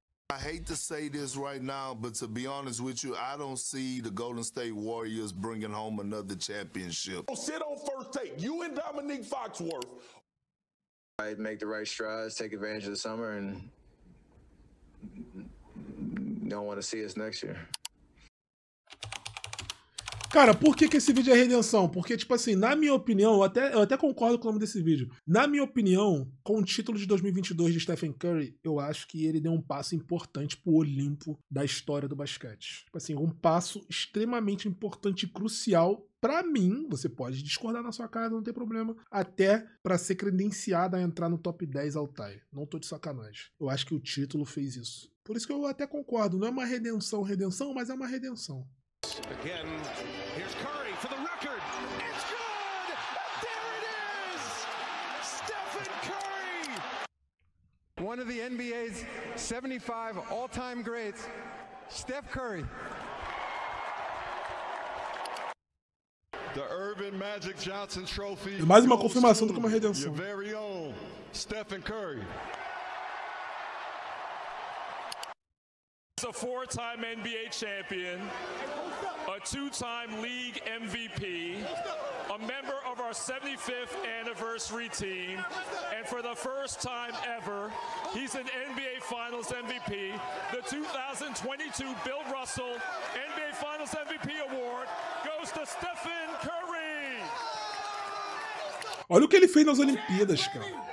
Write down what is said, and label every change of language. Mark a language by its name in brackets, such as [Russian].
[English] I hate to say this right now, but to be honest with you, I don't see the Golden State Warriors bringing home another championship. Oh, sit on first take. You and Dominique Foxworth. I'd make the right strides, take advantage of the summer, and don't want to see us next year. [Portuguese] Cara, por que que esse vídeo é redenção? Porque, tipo assim, na minha opinião, eu até concordo com o nome desse vídeo. Na minha opinião, com o título de 2022 de Stephen Curry, eu acho que ele deu um passo importante pro Olimpo da história do basquete. Tipo assim, um passo extremamente importante e crucial pra mim. Você pode discordar na sua casa, não tem problema. Até pra ser credenciado a entrar no top 10 all time. Não tô de sacanagem. Eu acho que o título fez isso. Por isso que eu até concordo. Não é uma redenção, redenção, mas é uma redenção. [English] Again, here's Curry for the record. It's good. There it is. Stephen Curry. One of the NBA's 75 all-time greats, Steph Curry. The Irvin Magic Johnson Trophy. [Portuguese] E mais uma confirmação do que uma redenção. [English] Your very own Stephen Curry. A four-time NBA champion, a two-time league MVP, a member of our 75th anniversary team, and for the first time ever, he's an NBA Finals MVP, the 2022 Bill Russell NBA Finals MVP award goes to Stephen Curry. [Portuguese] Olha o que ele fez nas Olimpíadas, cara.